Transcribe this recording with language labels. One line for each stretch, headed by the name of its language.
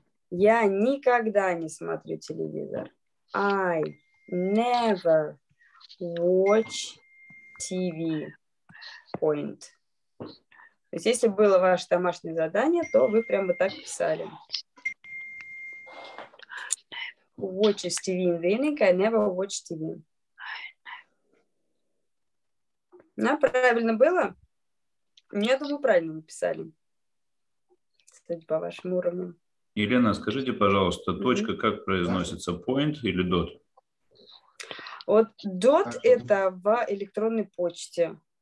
Russian: Я никогда не смотрю телевизор.
English: I never watch TV. Point.
Russian: То есть, если было ваше домашнее задание, то вы прямо бы так писали.
English: Watches TV in the evening, I never watch TV.
Russian: Да, правильно было? Я думаю, правильно написали. Кстати, по вашему уровню. Елена, скажите, пожалуйста, точка как произносится?
English: Point
Russian: или
English: dot?
Russian: Вот dot – это в электронной почте.